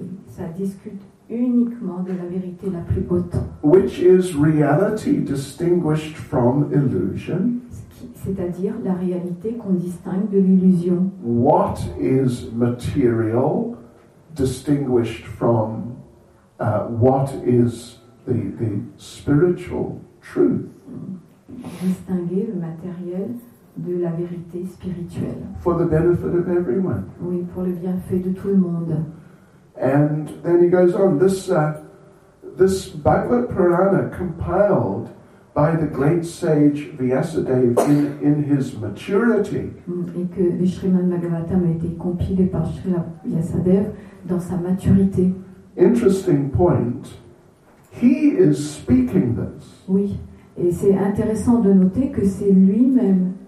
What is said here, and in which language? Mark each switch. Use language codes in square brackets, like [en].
[fr] Ça discute uniquement de la vérité la plus haute. [en] Which is reality distinguished from illusion. [fr] C'est-à-dire la réalité qu'on distingue de l'illusion. [en] What is material distinguished from what is the spiritual truth. [fr] Distinguer le matériel de la vérité spirituelle. [en] For the benefit of everyone. [fr] Oui, pour le bienfait de tout le monde. [en] And then he goes on, this Bhagavad Purana compiled by the great sage Vyasadeva in his maturity. [fr] Et que le Srimad Bhagavatam a été compilé par Srila Vyasadeva dans sa maturité. [en] Interesting point. He is speaking this. [fr] Oui, et c'est intéressant de noter que c'est lui-même.